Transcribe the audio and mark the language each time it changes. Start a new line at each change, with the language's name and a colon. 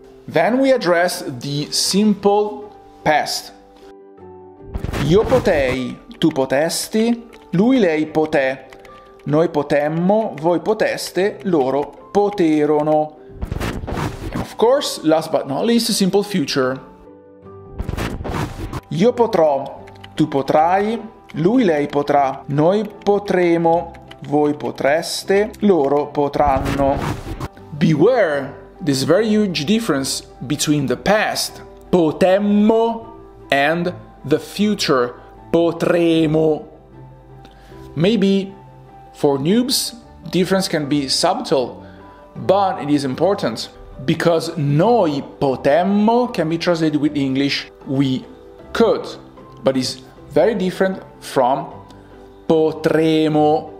English: Then we address the simple past.
Italian: Io potei, tu potesti, lui, lei, poté. Noi potemmo, voi poteste, loro poterono.
English: And of course, last but not least, simple future.
Italian: Io potrò, tu potrai, lui, lei potrà, noi potremo, voi potreste, loro potranno.
English: Beware this very huge difference between the past, potemmo, and the future, potremo. Maybe for noobs, difference can be subtle, but it is important because noi potemmo can be translated with English, we could, but is very different from potremo.